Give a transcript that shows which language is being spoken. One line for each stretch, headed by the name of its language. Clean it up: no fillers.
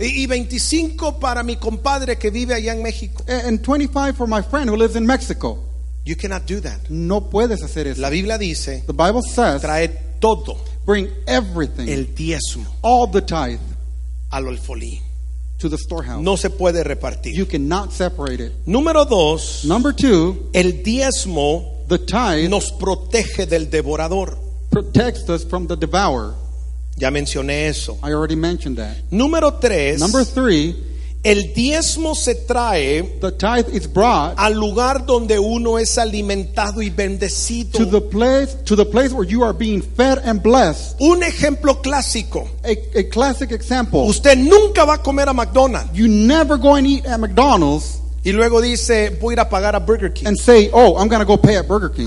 Spanish: Y 25 para mi compadre que vive allá en México.
English: And 25 for my friend who lives in Mexico. You cannot do that.
Spanish: No puedes hacer eso. La Biblia dice,
English: the Bible says,
Spanish: trae todo,
English: bring everything,
Spanish: el diezmo,
English: all the tithe,
Spanish: al alfolí,
English: to the storehouse.
Spanish: No se puede repartir.
English: You cannot separate it.
Spanish: Número dos,
English: number two,
Spanish: el diezmo,
English: the tithe,
Spanish: nos protege del devorador.
English: Protects us from the devourer.
Spanish: Ya mencioné eso.
English: I already mentioned that.
Spanish: Número tres,
English: number three,
Spanish: el diezmo se trae,
English: the tithe is brought,
Spanish: al lugar donde uno es alimentado y bendecido,
English: to the place where you are being fed and blessed.
Spanish: Un ejemplo clásico,
English: a classic example.
Spanish: Usted nunca va a comer a McDonald's.
English: You never go and eat at McDonald's.
Spanish: Y luego dice, voy a ir a pagar a Burger King.
English: And say, oh, I'm going to go pay at Burger King.